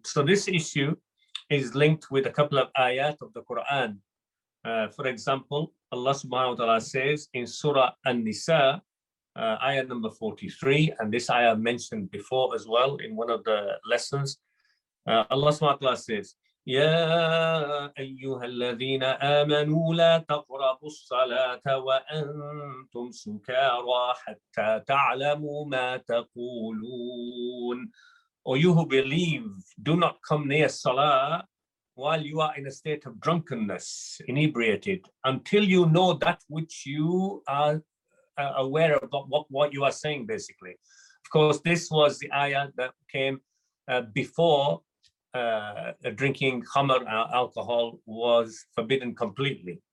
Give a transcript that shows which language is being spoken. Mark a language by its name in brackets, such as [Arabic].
[English] So this issue is linked with a couple of ayat of the Quran. For example, Allah subhanahu wa ta'ala says in Surah An-Nisa, ayah number 43, and this ayah mentioned before as well in one of the lessons. Allah subhanahu wa ta'ala says, [Arabic] يا أيها الذين آمنوا لا تقربوا الصلاة وأنتم سكارى حتى تعلموا ما تقولون. [English] Or you who believe, do not come near Salah while you are in a state of drunkenness, inebriated, until you know that which you are aware of, what you are saying, basically. Of course, this was the ayah that came before drinking khamar, alcohol, was forbidden completely.